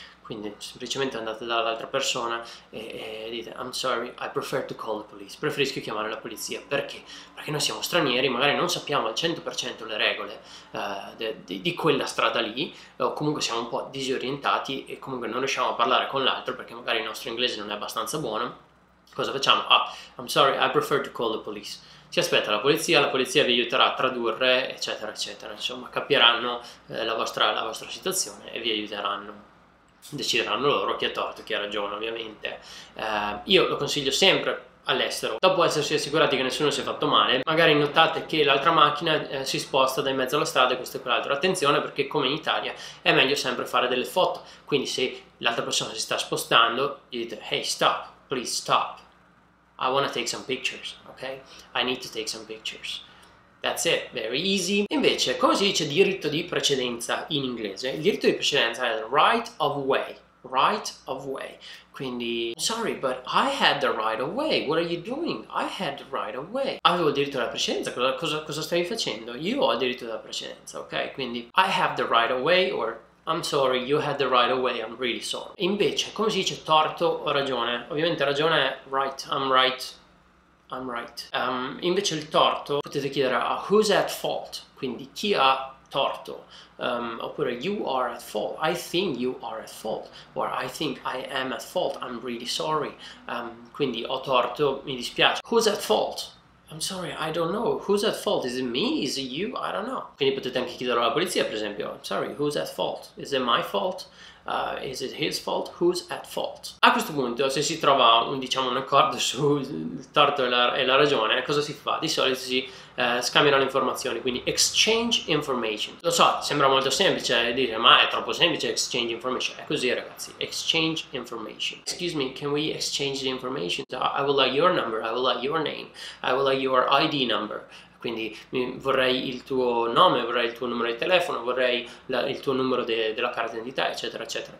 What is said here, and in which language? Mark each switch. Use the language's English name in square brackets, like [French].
[Italian] Quindi semplicemente andate dall'altra persona e dite [English] I'm sorry, I prefer to call the police. [Italian] Preferisco chiamare la polizia. Perché? Perché noi siamo stranieri, magari non sappiamo al 100% le regole di quella strada lì, o comunque siamo un po' disorientati e comunque non riusciamo a parlare con l'altro perché magari il nostro inglese non è abbastanza buono. Cosa facciamo? [English] Ah, I'm sorry, I prefer to call the police. [Italian] Si aspetta la polizia vi aiuterà a tradurre, eccetera, eccetera. Insomma, capiranno la vostra situazione e vi aiuteranno. Decideranno loro chi ha torto e chi ha ragione, ovviamente. Io lo consiglio sempre all'estero. Dopo essersi assicurati che nessuno si è fatto male, magari notate che l'altra macchina, si sposta da in mezzo alla strada e questo e quell'altro. Attenzione perché, come in Italia, è meglio sempre fare delle foto. Quindi, se l'altra persona si sta spostando, gli dite: [English] Hey, stop, please stop. I want to take some pictures, okay? I need to take some pictures. That's it, very easy. [Italian] Invece, come si dice diritto di precedenza in inglese? Il diritto di precedenza è right of way. [English] Right of way. Quindi, sorry, but I had the right of way. What are you doing? I had the right of way. [Italian] Avevo il diritto alla precedenza. Cosa stavi facendo? Io ho il diritto alla precedenza, ok? [English] Quindi, I have the right of way, or I'm sorry, you had the right of way, I'm really sorry. [Italian] Invece, come si dice torto o ragione? Ovviamente ragione è right, [English] I'm right, I'm right. [Italian] Invece il torto, potete chiedere a [English] who's at fault, [Italian] quindi chi ha torto. [English] Oppure you are at fault, I think you are at fault, or I think I am at fault, I'm really sorry. [Italian] Quindi ho torto, mi dispiace. [English] Who's at fault? I'm sorry, I don't know. Who's at fault? Is it me? Is it you? I don't know. [Italian] Quindi potete anche chiederlo alla polizia, per esempio. [English] I'm sorry, who's at fault? Is it my fault? Is it his fault? Who's at fault? [Italian] A questo punto, se si trova un accordo sul torto e la ragione, cosa si fa? Di solito si scambiano le informazioni, quindi exchange information. Lo so, sembra molto semplice dire, ma è troppo semplice exchange information. È così, ragazzi, [English] exchange information. Excuse me, can we exchange the information? I would like your number, I would like your name, I would like your ID number. [Italian] Quindi vorrei il tuo nome, vorrei il tuo numero di telefono, vorrei il tuo numero della carta d'identità, eccetera, eccetera.